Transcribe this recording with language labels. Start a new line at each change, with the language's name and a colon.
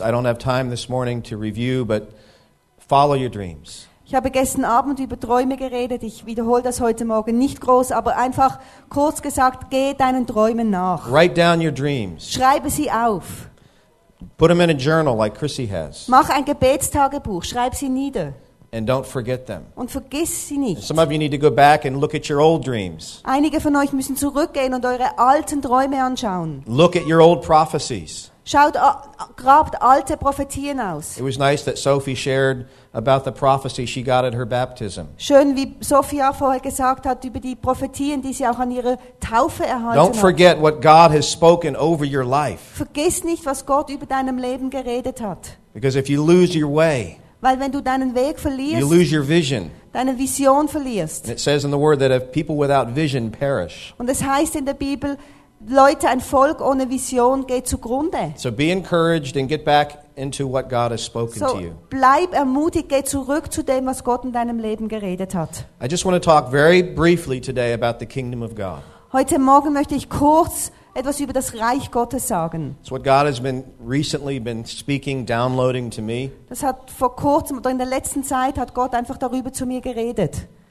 English: I don't have time this morning to review, but follow your dreams.
German: Ich habe gestern Abend über Träume geredet. Ich wiederhole das heute Morgen nicht groß, aber einfach kurz gesagt, geh deinen Träumen nach.
English: Write down your dreams.
German: Schreibe sie auf.
English: Put them in a journal like Chrissy has.
German: Mach ein Gebetstagebuch. Schreib sie nieder.
English: And don't forget them.
German: Und vergiss sie nicht.
English: Some of you need to go back and look at your old dreams.
German: Einige von euch müssen zurückgehen und eure alten Träume anschauen.
English: Look at your old prophecies.
German: Schaut, grabt alte Prophetien aus.
English: It was nice that Sophie shared about the prophecy she got at her baptism.
German: Schön, wie Sophia vorher gesagt hat über die Prophetien, die sie auch an ihrer Taufe erhalten hat.
English: Don't forget what God has spoken over your life.
German: Vergiss nicht, was Gott über deinem Leben geredet hat.
English: Because if you lose your way,
German: weil wenn du deinen Weg verlierst,
English: you lose your vision.
German: Deine Vision verlierst.
English: And it says in the word that if people without vision perish.
German: Und es heißt in der Bibel, Leute, ein Volk ohne Vision geht zugrunde.
English: So be encouraged and get back into what God has spoken so to you.
German: Bleib ermutigt, geh zurück zu dem, was Gott in deinem Leben geredet hat.
English: I just want to talk very briefly today about the kingdom of God.
German: Heute Morgen möchte ich kurz etwas über das Reich Gottes sagen.
English: It's what God has been recently been speaking, downloading to me.
German: Das hat vor kurzem oder in der letzten Zeit hat Gott einfach darüber zu mir geredet.